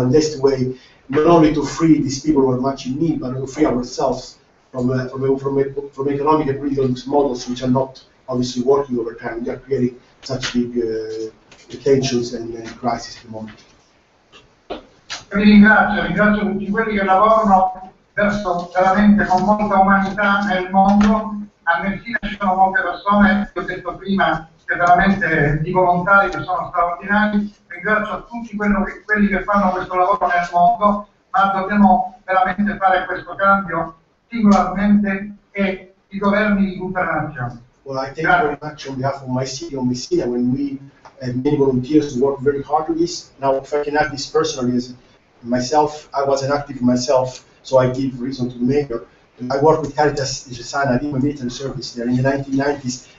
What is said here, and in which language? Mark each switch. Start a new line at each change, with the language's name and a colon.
English: And that's the way not only to free these people who are much in need, but to free ourselves from economic and political models which are not obviously working over time, they are creating such big tensions and crises at the moment.
Italian: Vi ringrazio tutti quelli che lavorano verso veramente con molta umanità nel mondo. A Messina ci sono molte persone, che ho detto prima, che veramente di volontari che sono straordinari. Ringrazio tutti quelli che fanno questo lavoro nel mondo, ma dobbiamo veramente fare questo cambio singolarmente e i governi di tutta la nazione.
English: Well, I thank you very much on behalf of my city of Messina when we had many volunteers who worked very hard on this. Now, if I can add this personally, as myself, I was an active myself, so I give reason to the mayor. I worked with Caritas in Messina, I did my military service there in the 1990s.